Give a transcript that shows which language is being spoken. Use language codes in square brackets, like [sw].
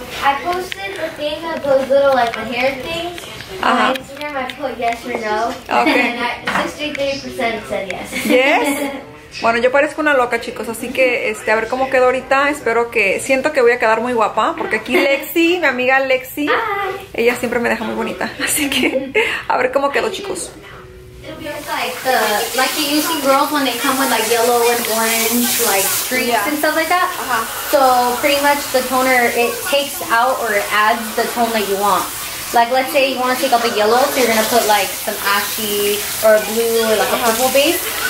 [en] I posted the thing of those little, like, the hair things on my Instagram. I put yes or no. Okay. And 63% said yes. Yes? [es] Bueno, yo parezco una loca, chicos, así que a ver cómo quedo ahorita. Espero que, siento que voy a quedar muy guapa, porque aquí Lexi, mi amiga Lexi, ella siempre me deja muy bonita. Así que, a ver cómo quedo, chicos. [en] It'll be like the, like you see girls when they come with like yellow and orange, like streaks and stuff like that. So pretty much the toner, it takes out or it adds the tone that you want. Like, let's say you want to take up a yellow, so you're going to put like some ashy or a blue or like a purple base.